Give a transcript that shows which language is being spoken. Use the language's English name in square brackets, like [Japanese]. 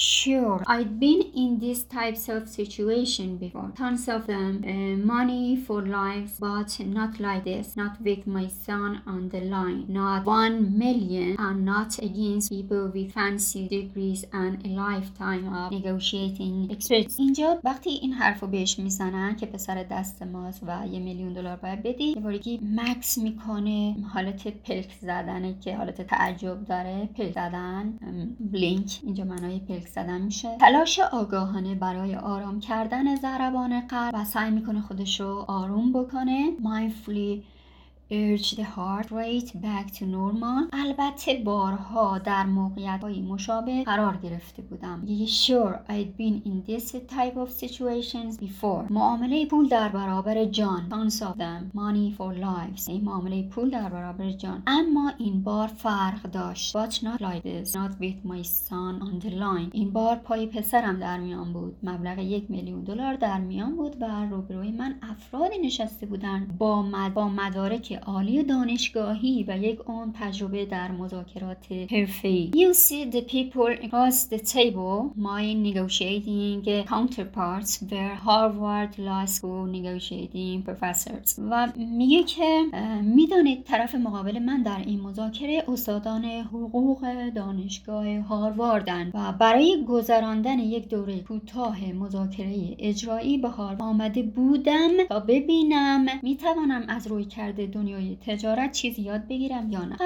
[English] Sure, I'd been in these types of situation before. Tons of them. Money for lives, but not like this. Not with my son on the line. Not 1,000,000 and not against people with fancy degrees and a lifetime of negotiating experience. [Persian] اینجا وقتی این حرفو بهش میزنن که پسر دست ماست و 1,000,000 دلار باید بدی، یه باری که مکس میکنه، حالت پلک زدنه که حالت تعجب داره، پلک زدن، بلینک، اینجا معنای پلک زدن میشه. تلاش آگاهانه برای آرام کردن ضربان قلب و سعی میکنه خودشو آروم بکنه. [English] Mindfully urge the heart rate back to normal. [Persian] البته بارها در موقعیت‌های مشابه قرار گرفته بودم. [English] Sure, I'd been in this type of situations before. [Persian] معامله پول در برابر جان. [English] Tons of them. Money for lives. [Persian] این معامله پول در برابر جان. اما این بار فرق داشت. [English] But not like this. Not with my son on the line. [Persian] این بار پای پسرم در میان بود. مبلغ 1,000,000 دلار در میان بود و روبروی من افرادی نشسته بودن با مدارک عالی دانشگاهی و یک عمر تجربه در مذاکرات حرفه‌ای. [English] You see the people across the table, my negotiating counterparts were Harvard Law School negotiating professors. [Persian] و میگه که میدونید طرف مقابل من در این مذاکره استادان حقوق دانشگاه هارواردن و برای گذراندن یک دوره کوتاه مذاکره اجرایی به هارو آمده بودم تا ببینم میتوانم از روی کرده دنیای تجارت چیز یاد بگیرم یا نه.